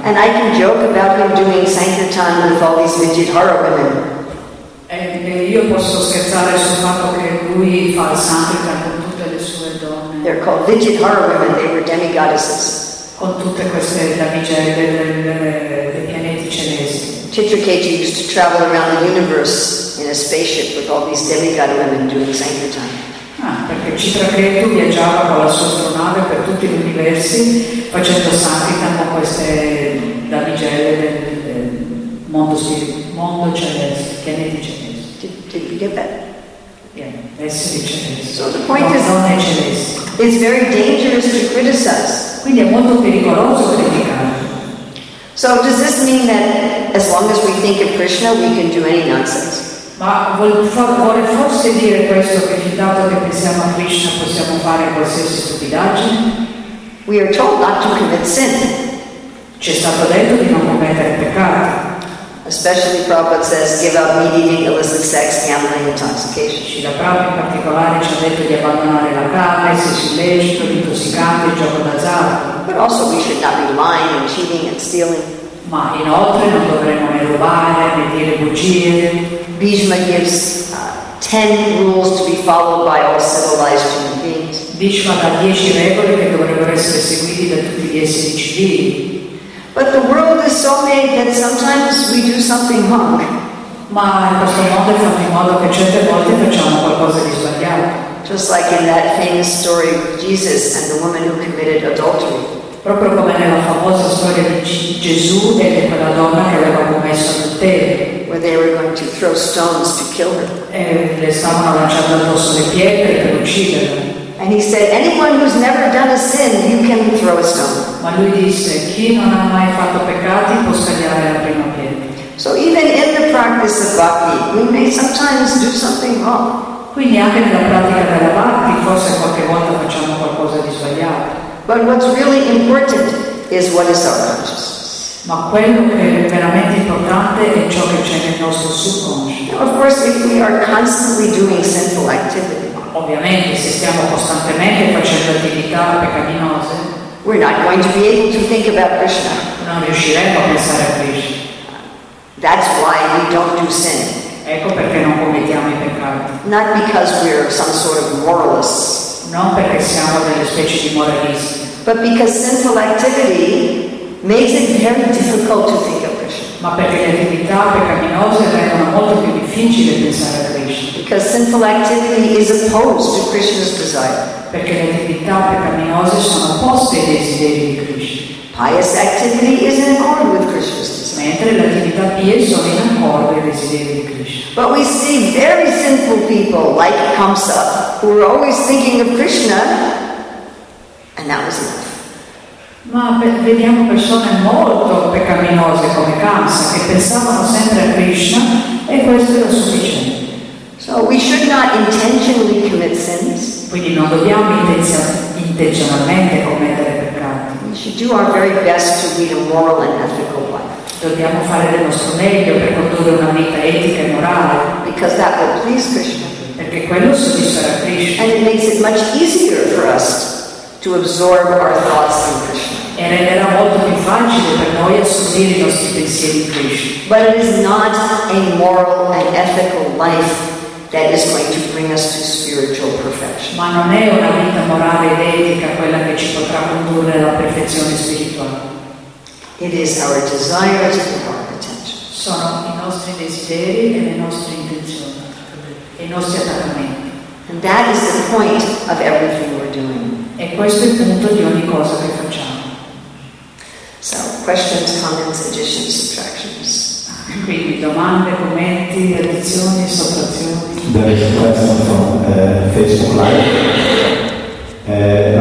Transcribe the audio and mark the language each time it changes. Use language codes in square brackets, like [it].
[en] And I can joke about him doing sankirtan with all these Vijayadhara women. [it] E io posso scherzare sul fatto che lui fa il sankirtan con tutte le sue donne. [en] They're called Vijayadhara women. They were demigoddesses. [it] Con tutte queste damigie dei pianeti celesti. [en] Chitraketu used to travel around the universe in a spaceship with all these demigod women doing sankirtan. [it] Perché Chitraketu viaggiava con la sua astronave per tutti gli universi facendo sankirtan con queste damigelle del mondo celeste, pianeti celesti. [en] Did you get that? [it] Yeah, esseri celesti. [en] So the point is, [it] non è celeste. [en] It's very dangerous to criticize. [it] Quindi è molto pericoloso criticare. [en] So does this mean that as long as we think of Krishna we can do any nonsense? [it] Ma vuole forse dire questo che fin tanto che pensiamo a Krishna possiamo fare qualsiasi stupidaggine? [en] We are told not to commit sin. [it] Ci è stato detto di non commettere peccati. [en] Especially Prabhupada says give up meat eating, illicit sex, gambling, intoxication. [it] Srila Prabhupada in particolare ci ha detto di abbandonare la carne, sesso illecito, intossicante, gioco d'azzardo. [en] But also we should not be lying and cheating and stealing. [it] Ma inoltre non dovremmo né rubare né dire bugie. [en] Bhishma gives 10 rules to be followed by all civilized human beings. [it] Bhishma dà 10 regole che dovrebbero essere seguite da tutti gli esseri civili. [en] But the world is so made that sometimes we do something wrong. [it] Ma questo mondo è fatto in modo che certe volte facciamo qualcosa di sbagliato. [en] Just like in that famous story of Jesus and the woman who committed adultery. [it] Proprio come nella famosa storia di Gesù e quella donna che aveva commesso adulterio. [en] Where they were going to throw stones to kill her. [it] E le stavano lanciando addosso le pietre per ucciderla. [en] And he said, anyone who's never done a sin, you can throw a stone. [it] Ma lui disse, chi non ha mai fatto peccati può scagliare la prima pietra. [en] So even in the practice of bhakti, we may sometimes do something wrong. [it] Quindi anche nella pratica della bhakti, forse qualche volta facciamo qualcosa di sbagliato. [en] But what's really important is what is our consciousness. [it] Ma quello che è veramente importante è ciò che c'è nel nostro subconscio. [en] Of course, if we are constantly doing sinful activity, [it] ovviamente se stiamo costantemente facendo attività peccaminose, [en] we're not going to be able to think about Krishna. [it] Non riusciremo a pensare a Krishna. [en] That's why we don't do sin. [it] Ecco perché non commettiamo i peccati. [en] Not because we're some sort of moralists. [it] Non perché siamo delle specie di moralisti. [en] But because sinful activity makes it very difficult to think of Krishna. [it] Ma perché le attività peccaminose rendono molto più difficile pensare a Krishna. [en] Because sinful activity is opposed to Krishna's desire. [it] Perché le attività peccaminose sono opposte ai desideri di Krishna. [en] Pious activity is in accord with Krishna's desire. [it] Mentre le attività pie sono in accordo ai desideri di Krishna. [en] But we see very sinful people like Kamsa who are always thinking of Krishna, and that was enough. [it] Ma vediamo persone molto peccaminose come Kamsa che pensavano sempre a Krishna e questo era sufficiente. [en] So we should not intentionally commit sins. [it] Quindi non dobbiamo intenzionalmente commettere peccati. [en] We should do our very best to lead a moral and ethical life. [it] Dobbiamo fare del nostro meglio per condurre una vita etica e morale. [en] Because that will please Krishna. [it] Perché quello soddisfa Krishna. [en] And it makes it much easier for us to absorb our thoughts in Krishna. [it] E renderà molto più facile per noi assorbire i nostri pensieri in Krishna. [en] But it is not a moral and ethical life that is going to bring us to spiritual perfection. [it] Ma non è una vita morale ed etica quella che ci potrà condurre alla perfezione spirituale. [en] It is our desires and our attention. [it] Sono i nostri desideri e le nostre intenzioni, i nostri attaccamenti. [en] And that is the point of everything we're doing. [it] E questo è il punto di ogni cosa che facciamo. [en] So, questions, comments, additions, subtractions. [it] Quindi domande, commenti, addizioni, sottrazioni. Dove si fa questo Facebook Live?